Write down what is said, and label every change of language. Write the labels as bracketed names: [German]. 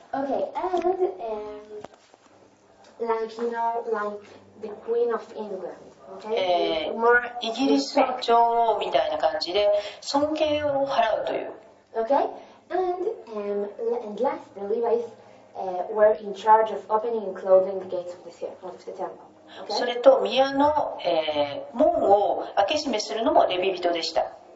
[English] Okay, and, like, you know, like, the Queen of England, okay? [Japanese] イギリスの女王みたいな感じで尊敬を払うという。 [English] Okay, and last, the Levites, were in charge of opening and closing the gates of the temple. Okay. [Japanese] それと宮の、門を開け閉めするのもレビ人でした。